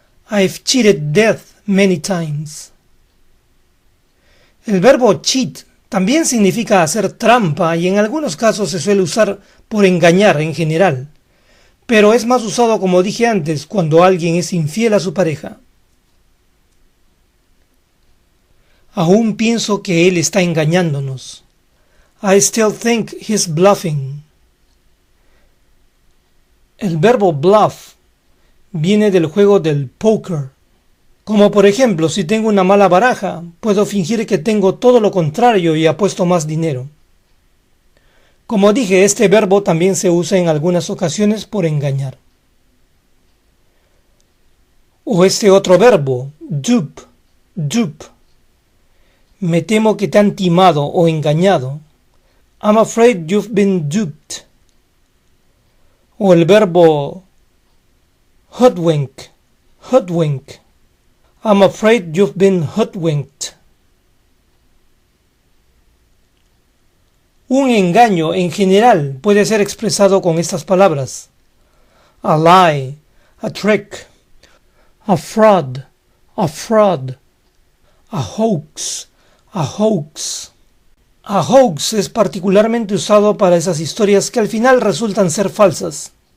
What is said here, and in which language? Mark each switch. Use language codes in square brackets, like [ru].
[en] I've cheated death many times. [es] El verbo cheat también significa hacer trampa y en algunos casos se suele usar por engañar en general, pero es más usado, como dije antes, cuando alguien es infiel a su pareja. Aún pienso que él está engañándonos. [en] I still think he's bluffing. [es] El verbo bluff viene del juego del póker. Como por ejemplo, si tengo una mala baraja, puedo fingir que tengo todo lo contrario y apuesto más dinero. Como dije, este verbo también se usa en algunas ocasiones por engañar. O este otro verbo, dupe, dupe. Me temo que te han timado o engañado. [en] I'm afraid you've been duped. O el verbo hoodwink, hoodwink. I'm afraid you've been hoodwinked. [es] Un engaño en general puede ser expresado con estas palabras: a lie, a trick, a fraud, a hoax. A hoax es particularmente usado para esas historias que al final resultan ser falsas.